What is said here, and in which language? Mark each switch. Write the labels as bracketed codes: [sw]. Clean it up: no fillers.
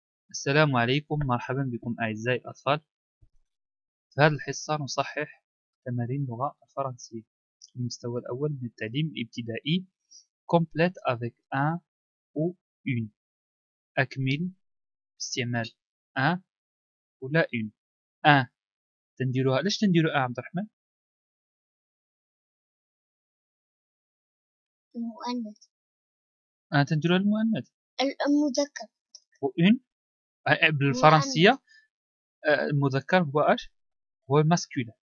[ar] السلام عليكم، مرحبا بكم أعزائي الأطفال. في هذه الحصة نصحح تمارين اللغة الفرنسية المستوى الأول من التعليم الابتدائي. [fr] complete avec un ou une، [ar] أكمل استعمال [fr] un ولا une. [ar] un تنديروها، ليش تنديروا عبد الرحمن؟ المؤنث. أنا تنديروا المؤنث المذكر. وإن بالفرنسية المذكر هو أش؟ هو الماسكولا.